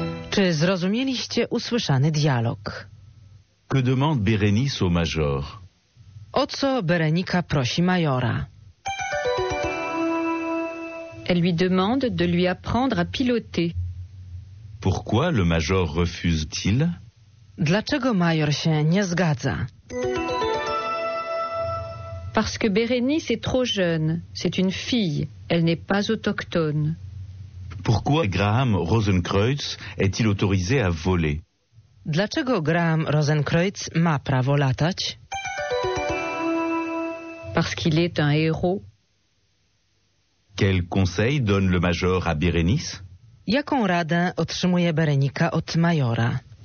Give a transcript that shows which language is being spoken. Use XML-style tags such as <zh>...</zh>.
<pl>Czy zrozumieliście usłyszany dialog?</pl> <fr>Que demande Bérénice au major?</fr> <pl>O co Berenika prosi majora?</pl> <fr>Elle lui demande de lui apprendre à piloter. Pourquoi le major refuse-t-il?</fr> <pl>Dlaczego major się nie zgadza?</pl> <fr>Parce que Bérénice est trop jeune. C'est une fille. Elle n'est pas autochtone. Pourquoi Graham Rosenkreutz est-il autorisé à voler?</fr> <pl>Dlaczego Graham Rosenkreutz ma prawo latać?</pl> <fr>Parce qu'il est un héros. Quel conseil donne le major à Bérénice?</fr> <pl>Jaką radę otrzymuje Berenika od majora?</pl>